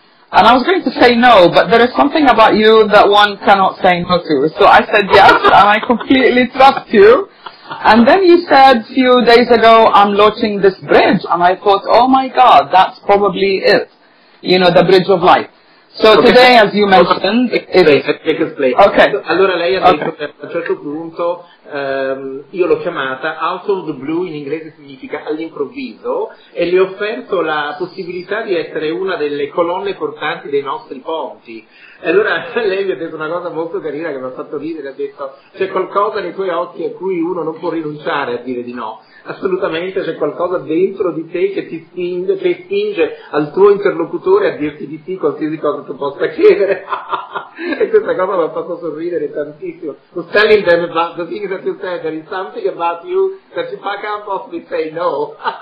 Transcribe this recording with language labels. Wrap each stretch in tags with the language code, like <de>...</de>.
<en>And I was going to say no, but there is something about you that one cannot say no to. So I said yes, and I completely trust you. And then you said a few days ago, I'm launching this bridge, and I thought, oh my God, that's probably it. The bridge of life. So today, as you mentioned,</en> <it>Okay. Allora lei ha detto che a un certo punto io l'ho chiamata</it> <en>out of the blue,</en> <it>in inglese significa all'improvviso, e le ho offerto la possibilità di essere una delle colonne portanti dei nostri ponti. E allora lei mi ha detto una cosa molto carina che mi ha fatto ridere, ha detto: c'è qualcosa nei tuoi occhi a cui uno non può rinunciare a dire di no. Assolutamente, c'è qualcosa dentro di te che ti spinge, che spinge al tuo interlocutore a dirti di sì qualsiasi cosa tu possa chiedere. E questa cosa mi ha fatto sorridere tantissimo.</it> <en>Telling them about the things that you said, there is something about you that you back up off and say no.</en>